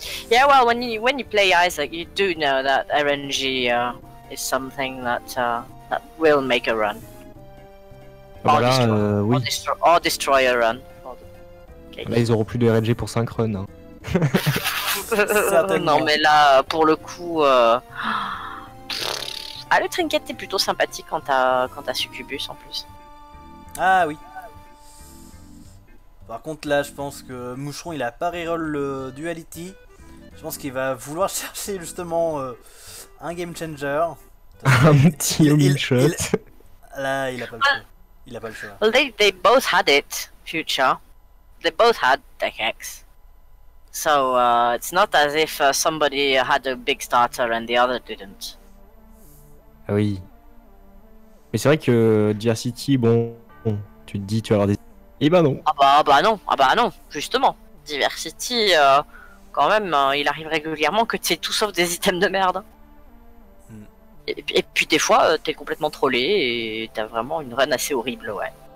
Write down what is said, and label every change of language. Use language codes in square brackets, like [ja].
[en] Yeah, well, when you play Isaac, you do know that RNG is something that will make a run. [fr] Voilà, oui. [en] Or destroy a run. [fr] Là, ils auront plus de RNG pour 5 runs. Hein. Non, mais là, pour le coup. Ah, le trinket est plutôt sympathique quand t'as Succubus en plus. Ah oui. Par contre, là, je pense que Moucheron il a pas reroll le Duality. Je pense qu'il va vouloir chercher justement un game changer. Un petit homing shot. Il a pas le choix. [en] Well, they both had it, Future. They both had deck X. So it's not as if somebody had a big starter and the other didn't. [fr] Ah oui. Mais c'est vrai que Diversity, bon, tu te dis tu vas avoir des. Eh ben non. Ah bah non, justement. Diversity, quand même, il arrive régulièrement que tu aies tout sauf des items de merde. Et puis des fois, t'es complètement trollé et t'as vraiment une run assez horrible, ouais.